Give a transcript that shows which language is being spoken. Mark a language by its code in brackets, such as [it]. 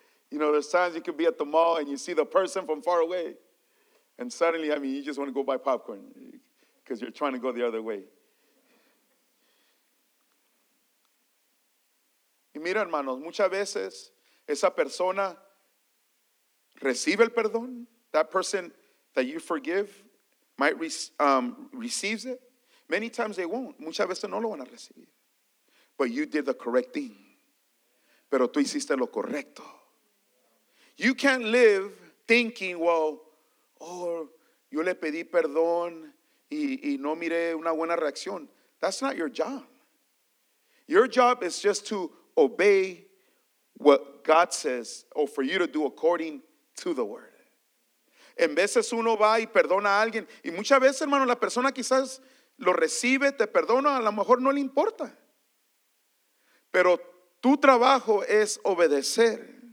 [en] You know, there's times you can be at the mall and you see the person from far away. And suddenly, I mean, you just want to go buy popcorn because you're trying to go the other way. [es] Y mira, hermanos, muchas veces esa persona recibe el perdón. [en] That person that you forgive might receives it. Many times they won't. [es] Muchas veces no lo van a recibir. [en] But you did the correct thing. [es] Pero tú hiciste lo correcto. [en] You can't live thinking, well, oh, [es] yo le pedí perdón y no miré una buena reacción. [en] That's not your job. Your job is just to obey what God says, or for you to do according to the word. [es] En veces uno va y perdona a alguien, y muchas veces, hermano, la persona quizás lo recibe, te perdona, a lo mejor no le importa. Pero tu trabajo es obedecer.